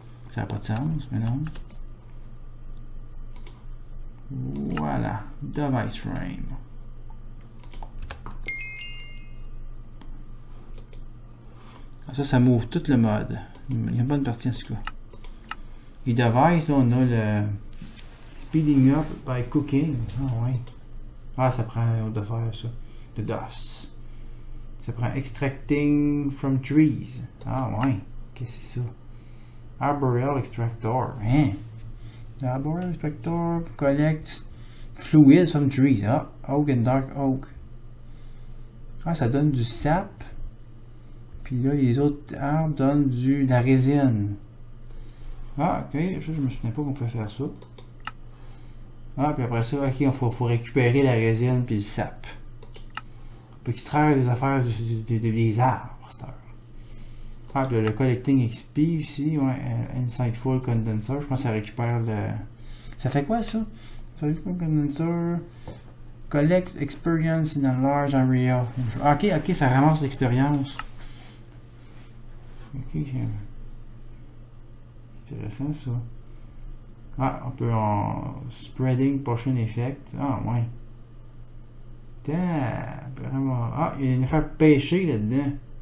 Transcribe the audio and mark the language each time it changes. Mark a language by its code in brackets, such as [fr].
[fr] Ça n'a pas de sens, mais non. Voilà. Device frame. Ça, ça m'ouvre tout le mode. Il y a une bonne partie en ce cas. Les devices, là, on a le [en] speeding up by cooking. [fr] Ah oui. Ah, ça prend de faire ça. [en] The dust. [fr] Ça prend [en] extracting from trees. [fr] Ah oui. Qu'est-ce que c'est ça? [en] Arboreal extractor. Hein? Arboreal extractor collects fluids from trees. [fr] Ah, oak and dark oak. Ah, ça donne du sap. Puis là, les autres arbres donnent de la résine. Ah, ok, je me souviens pas qu'on pouvait faire ça. Ah, puis après ça, ok, il faut récupérer la résine puis le sap. On peut extraire des affaires des arbres, cette heure. Ah, puis là, le collecting XP aussi, ouais, insightful condenser. Je pense que ça récupère le. Ça fait quoi ça? Ça fait quoi, condenser? [en] Collects experience in a large area. [fr] Ok, ok, ça ramasse l'expérience. Ok, intéressant ça. Ah, on peut en [en] spreading potion effect. [fr] Ah, ouais. Ah, il y a une affaire pêcher là-dedans.